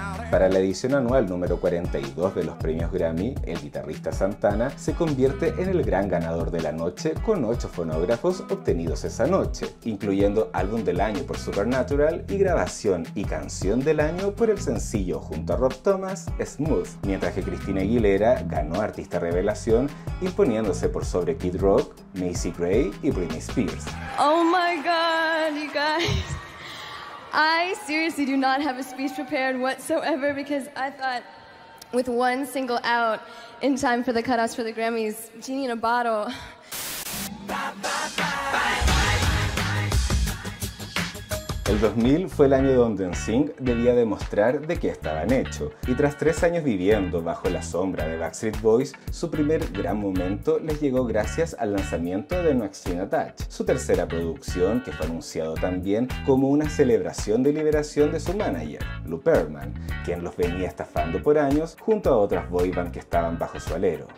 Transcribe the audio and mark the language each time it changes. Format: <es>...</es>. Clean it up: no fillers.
<es>Para la edición anual número 42 de los premios Grammy, el guitarrista Santana se convierte en el gran ganador de la noche con 8 fonógrafos obtenidos esa noche, incluyendo álbum del año por Supernatural y grabación y canción del año por el sencillo junto a Rob Thomas, Smooth, mientras que Christina Aguilera ganó artista revelación imponiéndose por sobre Kid Rock, Macy Gray y Britney Spears.</es> <en>Oh my God, you guys. I seriously do not have a speech prepared whatsoever because I thought with one single out in time for the cutoffs for the Grammys, genie in a bottle.</en> <es>El 2000 fue el año donde NSYNC debía demostrar de qué estaban hechos, y tras 3 años viviendo bajo la sombra de Backstreet Boys, su primer gran momento les llegó gracias al lanzamiento de No Strings Attached, su tercera producción que fue anunciado también como una celebración de liberación de su manager, Lou Pearlman, quien los venía estafando por años junto a otras boybands que estaban bajo su alero.</es>